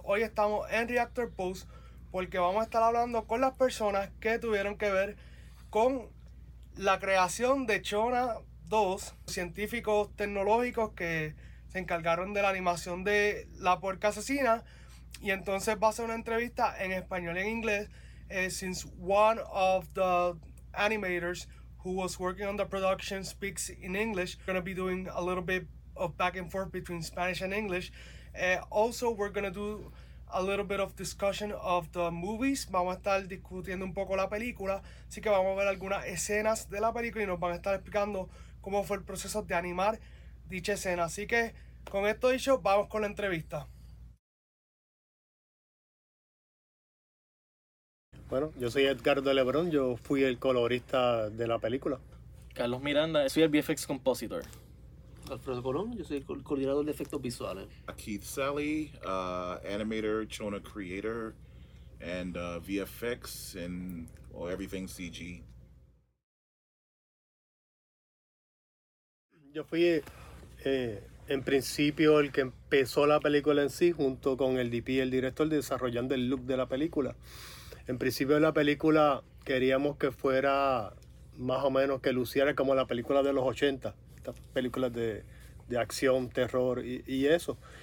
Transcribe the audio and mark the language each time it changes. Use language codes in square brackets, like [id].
[es] Hoy estamos en Reactor Post porque vamos a estar hablando con las personas que tuvieron que ver con la creación de Chona 2, científicos tecnológicos que se encargaron de la animación de La Puerca Asesina. Y entonces va a ser una entrevista en español y en inglés. [en] Since one of the animators who was working on the production speaks in English, we're going to be doing a little bit of back and forth between Spanish and English. Also, we're going to do a little bit of discussion of the movies. [es] Vamos a estar discutiendo un poco la película. Así que vamos a ver algunas escenas de la película y nos van a estar explicando cómo fue el proceso de animar dicha escena. Así que, con esto dicho, vamos con la entrevista. Bueno, yo soy Edgardo Lebrón, yo fui el colorista de la película. Carlos Miranda, soy el VFX compositor. Alfredo Colón, yo soy el coordinador de efectos visuales. [en] Keith Sally, animator, Chona creator, and VFX, and well, everything CG. [es] Yo fui en principio el que empezó la película en sí, junto con el DP y el director, desarrollando el look de la película. En principio de la película queríamos que fuera más o menos que luciera como la película de los 80, estas películas de acción, terror y eso.